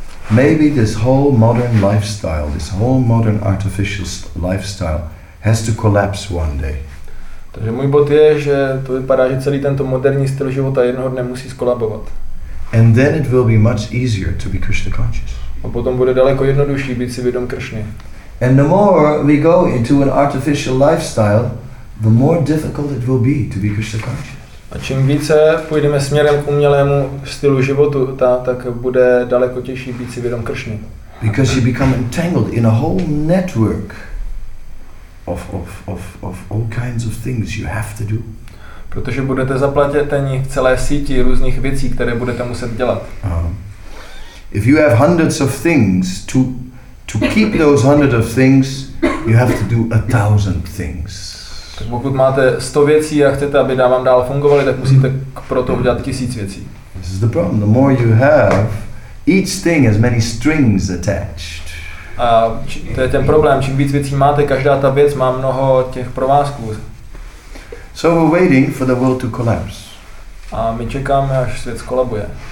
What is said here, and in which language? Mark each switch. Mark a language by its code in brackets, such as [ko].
[en] maybe this whole modern lifestyle, this whole modern artificial lifestyle has to collapse one day. [cs] Takže můj bod je, že to vypadá, že celý tento moderní styl života jednoho dne musí skolabovat. [en] And then it will be much easier to be Krishna conscious. [cs] A potom bude daleko jednodušší být si vědom Kršny. [en] And the more we go into an artificial lifestyle, the more difficult it will be to be Krishna conscious. [cs] A čím více půjdeme směrem k umělému stylu životu, tak bude daleko těžší být si vědom Kršny. [en] Because you become entangled in a whole network of all kinds of things you have to do. [cs] Protože budete zaplatěni v celé síti různých věcí, které budete muset dělat. [en] If you have hundreds of things to keep those hundreds of things, you have to do 1,000 things. [cs] Tak pokud máte 100 věcí a chcete, aby vám dál fungovaly, tak musíte pro to udělat 1,000 věcí. [en] This is the problem. The more you have, each thing has many strings attached. [cs] A to je ten problém, čím víc věcí máte, každá ta věc má mnoho těch provázků. [en] So we're waiting for the world to collapse. [cs] A my čekáme, až svět skolabuje.